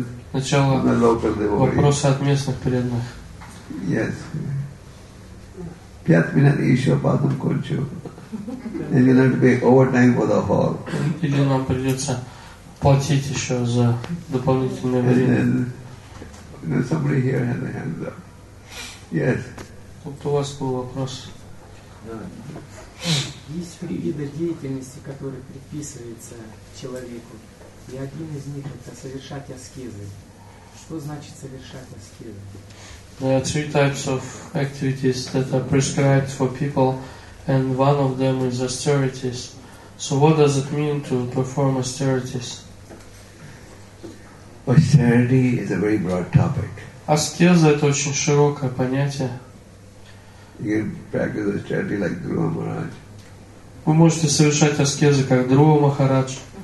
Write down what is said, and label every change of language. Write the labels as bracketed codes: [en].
[ru] Сначала вопросы от местных преданных. Yes. 5 минут еще потом кончу. Или нам придется платить еще за дополнительное время. [en] And then somebody here has a hand up. Yes. [ru] Тут у вас был вопрос. Есть три вида деятельности, которые приписываются человеку. И один из них – это совершать аскезы. Что значит совершать аскезы? [en] There are three types of activities that are prescribed for people, and one of them is austerities. So what does it mean to perform austerities? Austerity is a very broad topic. [ru] Аскеза – это очень широкое понятие. [en] You can practice austerity like Guru Maharaj. [ru] Вы можете совершать аскезы как Друва Махарадж.